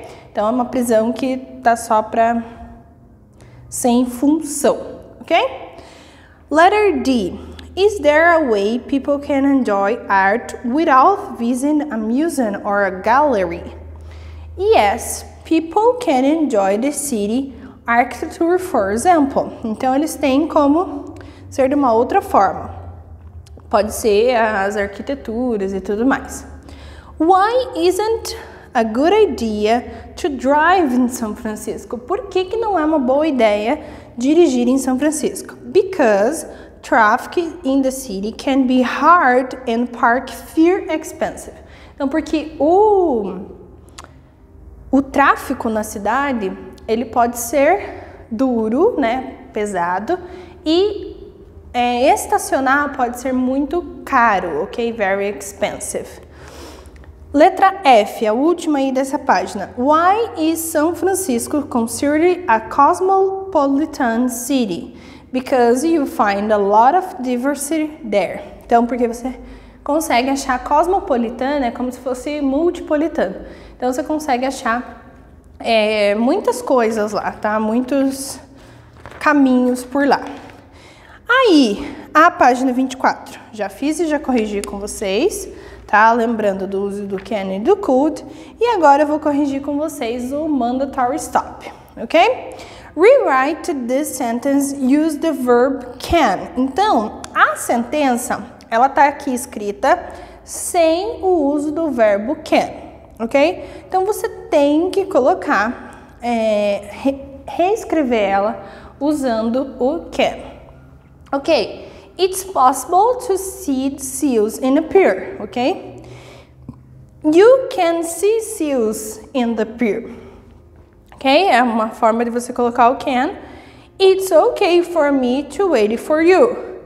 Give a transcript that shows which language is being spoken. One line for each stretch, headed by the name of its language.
Portuguese: Então é uma prisão que tá só para sem função, ok?
English: Letter D. Is there a way people can enjoy art without visiting a museum or a gallery? Yes, people can enjoy the city architecture, for example.
Portuguese: Então eles têm como ser de uma outra forma. Pode ser as arquiteturas e tudo mais.
English: Why isn't a good idea to drive in San Francisco?
Portuguese: Por que que não é uma boa ideia dirigir em São Francisco?
English: Because traffic in the city can be hard and park fear expensive.
Portuguese: Então, porque o tráfego na cidade, ele pode ser duro, né, pesado, e estacionar pode ser muito caro, ok?
English: Very expensive.
Portuguese: Letra F, a última aí dessa página.
English: Why is San Francisco considered a cosmopolitan city? Because you find a lot of diversity there.
Portuguese: Então, porque você consegue achar cosmopolitana, é como se fosse multipolitana. Então, você consegue achar muitas coisas lá, tá? Muitos caminhos por lá. Aí, a página 24. Já fiz e já corrigi com vocês, tá? Lembrando do uso do can e do could. E agora eu vou corrigir com vocês o mandatory stop, ok?
English: Rewrite this sentence, use the verb can.
Portuguese: Então, a sentença, ela tá aqui escrita sem o uso do verbo can, ok? Então, você tem que colocar, reescrever ela usando o can.
English: Ok, it's possible to see seals in a pier, ok? You can see seals in the pier. Ok?
Portuguese: É uma forma de você colocar o can.
English: It's okay for me to wait for you.